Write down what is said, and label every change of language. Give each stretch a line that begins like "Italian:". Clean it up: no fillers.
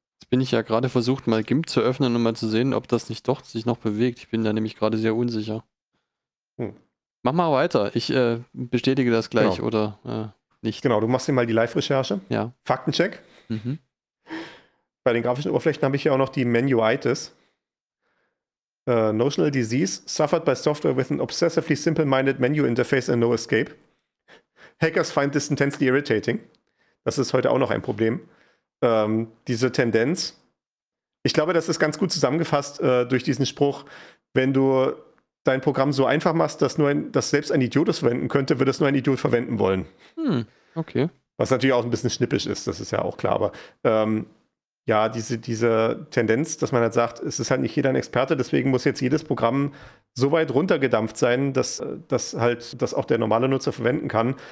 German: Jetzt bin ich ja gerade versucht, mal GIMP zu öffnen, um mal zu sehen, ob das nicht doch sich noch bewegt. Ich bin da nämlich gerade sehr unsicher. Mach mal weiter, ich bestätige das gleich oder nicht. Genau, du machst dir mal die Live-Recherche. Ja. Faktencheck. Mhm. Bei den grafischen Oberflächen habe ich ja auch noch die Menuitis.
English: Notional Disease, suffered by software with an obsessively simple-minded menu interface and no escape. Hackers find this intensely irritating.
German: Das ist heute auch noch ein Problem. Diese Tendenz. Ich glaube, das ist ganz gut zusammengefasst durch diesen Spruch, wenn du dein Programm so einfach machst, dass selbst ein Idiot es verwenden könnte, würde es nur ein Idiot verwenden wollen. Hm, okay. Was natürlich auch ein bisschen schnippisch ist, das ist ja auch klar. Aber ja, diese Tendenz, dass man halt sagt, es ist halt nicht jeder ein Experte, deswegen muss jetzt jedes Programm so weit runtergedampft sein, dass auch der normale Nutzer verwenden kann.